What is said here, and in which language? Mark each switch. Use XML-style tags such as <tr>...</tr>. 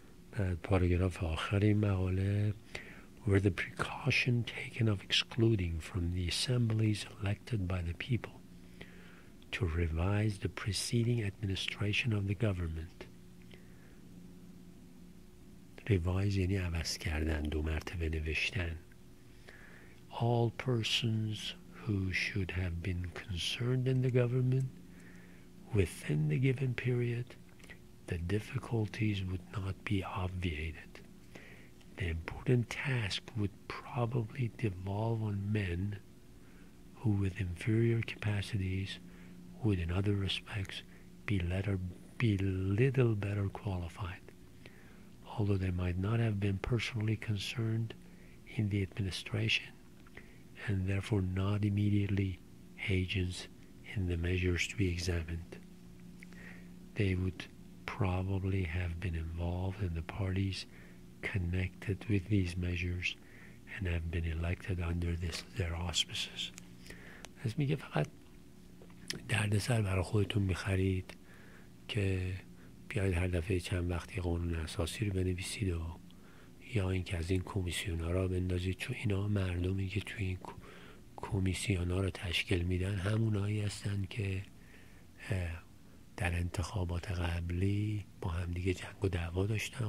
<fa>بعد پاراگراف آخر این مقاله:</fa> <en>Where the precaution taken of excluding from the assemblies elected by the people to revise the preceding administration of the government.</en> <fa>Revise یعنی عوض کردن، دو مرتبه نوشتن.</fa> <en>All persons who should have been concerned in the government within the given period, the difficulties would not be obviated. The important task would probably devolve on men who with inferior capacities would in other respects be little better qualified. Although they might not have been personally concerned in the administration and therefore not immediately agents in the measures to be examined, they would probably have been involved in the parties connected with these measures and have been elected under their auspices.</en> <fa>از میگه فقط درد سر برای خودتون میخرید که بیاید هر دفعه چند وقتی قانون اساسی رو بنویسید، و یا اینکه از این کمیسیون ها را بندازید، چون اینا مردمی که توی این کمیسیون ها را تشکیل میدن همونایی هستن که در انتخابات قبلی با هم دیگه جنگ و دعوا داشتن.</fa>